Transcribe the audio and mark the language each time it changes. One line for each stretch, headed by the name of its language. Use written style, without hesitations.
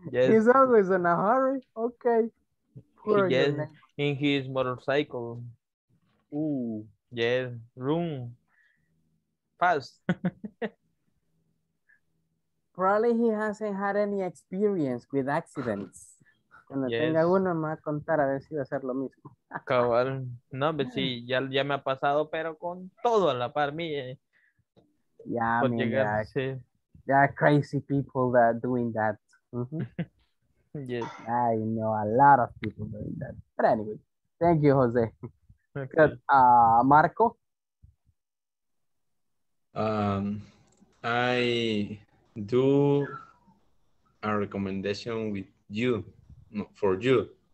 English: He's always in a hurry. Okay. Yes, in his motorcycle. Ooh. Yes, room. Fast. Probably he hasn't had any experience with accidents.
Spanish: Cuando tenga uno, me va a contar a ver si va a hacer lo mismo. Cabal. No, pero sí, ya me ha pasado, pero con todo a la par mía.
English: Yeah, I mean, there are crazy people that are doing that. Mm-hmm. Yes. I know a lot of people doing that. But anyway, thank you, Jose. Okay. Marco? I do a recommendation with you, no, for you.